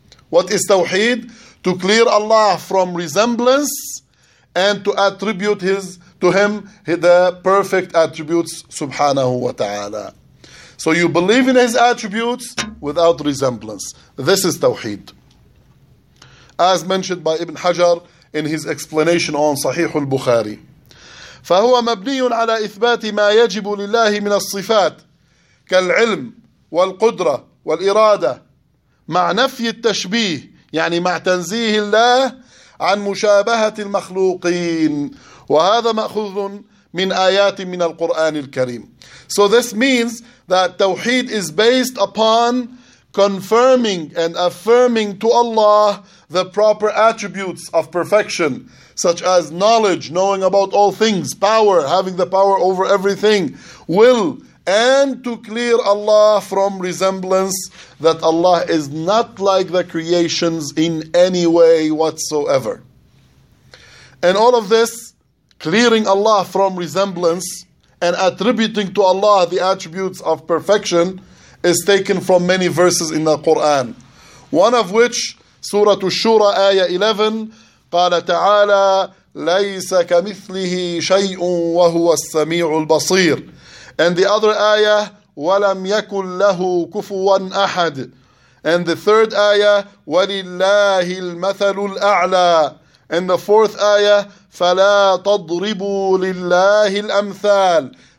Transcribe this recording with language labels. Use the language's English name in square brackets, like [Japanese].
[English] What is Tawheed? To clear Allah from resemblance and to attribute to Him the perfect attributes, subhanahu wa ta'ala. So you believe in His attributes without resemblance. This is Tawheed. As mentioned by Ibn Hajar in his explanation on Sahih al-Bukhari. [Arabic] فهو مبني على إثبات ما يجب لله من الصفات كالعلم والقدرة والإرادة مع نفي التشبيه، يعني مع تنزيه الله عن مشابهة المخلوقين، وهذا مأخوذ من آيات من القرآن الكريم. [English] So this means that Tawheed is based upon confirming and affirming to Allah the proper attributes of perfection, such as knowledge, knowing about all things, power, having the power over everything, will, and to clear Allah from resemblance, that Allah is not like the creations in any way whatsoever. And all of this, clearing Allah from resemblance and attributing to Allah the attributes of perfection, is taken from many verses in the Quran. One of which, Surah Ash-Shura, Ayah 11, [Arabic] قال تعالى لَيْسَ كَمِثْلِهِ شَيْءٌ وَهُوَ السَّمِيعُ الْبَصِيرُ. [English] And the other ayah, [Arabic] وَلَمْ يَكُنْ لَهُ كُفُوًا أَحَدٌ. [English] And the third ayah, [Arabic] وَلِلَّهِ الْمَثَلُ الْأَعْلَى. [English] And the fourth ayah, [Arabic] فَلَا تَضْرِبُوا لِلَّهِ الْأَمْثَالِ.